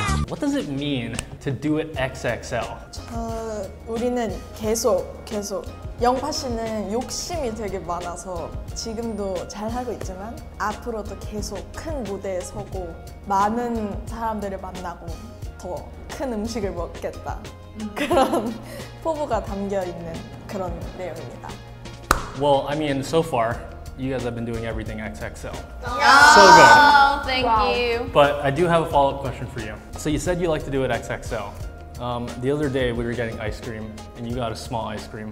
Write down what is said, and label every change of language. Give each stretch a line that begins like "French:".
English: What does it mean to do it XXL?
Korean: 우리는 계속 영파씨는 욕심이 되게 많아서 지금도 잘하고 있지만 앞으로도 계속 큰 무대에 서고 많은 사람들을 만나고 더 큰 음식을 먹겠다 그런 포부가 담겨 있는 그런 내용입니다.
English: Well, I mean, so far you guys have been doing everything XXL. Yeah. So good. Oh, thank you. But I do have a follow-up question for you. So you said you like to do it XXL. The other day we were getting ice cream and you got a small ice cream.